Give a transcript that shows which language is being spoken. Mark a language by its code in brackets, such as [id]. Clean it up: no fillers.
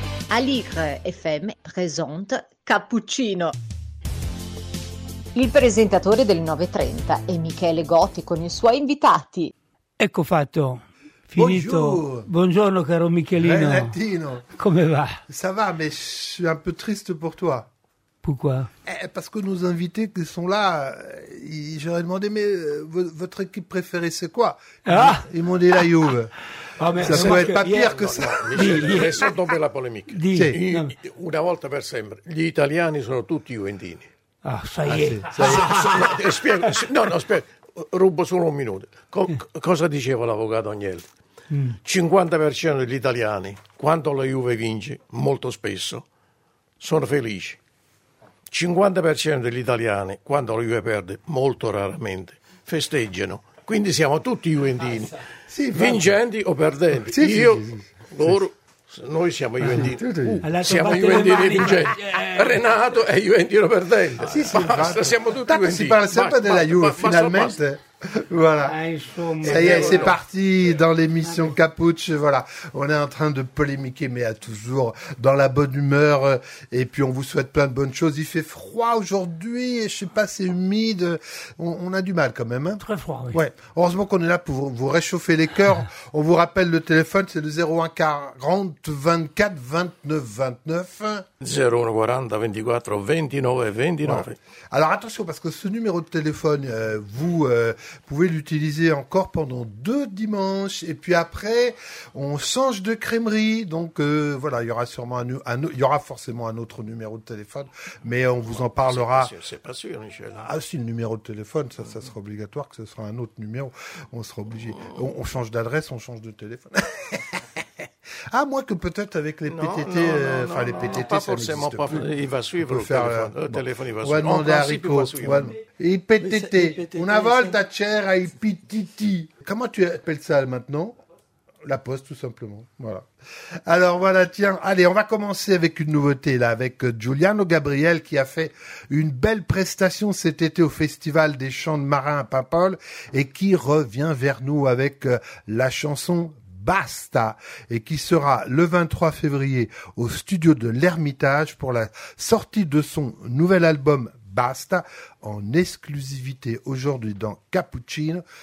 [it] Aligre FM presenta Cappuccino. Il presentatore del 9:30 è Michele Gotti con i suoi invitati. Ecco fatto. Finito. Buongiorno caro Michelino. Valentino. Come va? [fr] Ça va, mais je suis un peu triste pour toi. Pourquoi? Parce que nos invités qui sont là, j'aurais demandé, mais votre équipe préférée, c'est quoi? Ils m'ont dit la Juve. Ça pourrait être pas pire que ça. Laissons tomber la polémique. [it] Une volta per sempre, gli italiani sono tutti juventini. [fr] Ah, ça y est. [it] Non, aspetta. Rubo solo un minuto. Cosa diceva l'avvocato Agnelli? 50% degli italiani, quando la Juve vince, molto spesso, sono felici. 50% degli italiani, quando la Juve perde, molto raramente, festeggiano. Quindi siamo tutti juventini, sì, vincenti o perdenti. Sì, io, sì. Loro... Noi siamo juventini, siamo juventini vincenti, Renato è juventino perdente, sì, sì, basta, siamo tutti juventini. Si parla sempre della Juve, finalmente. [fr] Voilà, ça y est, c'est parti dans l'émission Capucci. Voilà, on est en train de polémiquer, mais toujours dans la bonne humeur. Et puis, on vous souhaite plein de bonnes choses. Il fait froid aujourd'hui, je sais pas, c'est humide. On a du mal quand même. Hein. Très froid, oui. Ouais. Heureusement qu'on est là pour vous réchauffer les cœurs. On vous rappelle le téléphone, c'est le 01 40 24 29 29. 01 40 24 29 29. Ouais. Alors, attention, parce que ce numéro de téléphone, vous pouvez l'utiliser encore pendant deux dimanches et puis après on change de crèmerie, donc voilà, il y aura sûrement il y aura forcément un autre numéro de téléphone, mais on vous en parlera. C'est pas sûr Michel. Ah si, le numéro de téléphone, ça sera obligatoire, que ce sera un autre numéro, on sera obligé. On change d'adresse, on change de téléphone. Ah, moi que peut-être avec les PTT, les PTT, non, pas forcément, n'existe pas, plus. Il va suivre le téléphone, il va suivre. On va demander à Rico. [it] Il PTT, una volta c'era il PTT. [fr] Comment tu appelles ça maintenant? La poste, tout simplement. Voilà. Alors voilà, tiens, allez, on va commencer avec une nouveauté, là, avec Giuliano Gabriel, qui a fait une belle prestation cet été au Festival des Chants de Marins à Paimpol, et qui revient vers nous avec la chanson Basta, et qui sera le 23 février au studio de l'Ermitage pour la sortie de son nouvel album Basta, en exclusivité aujourd'hui dans Cappuccino.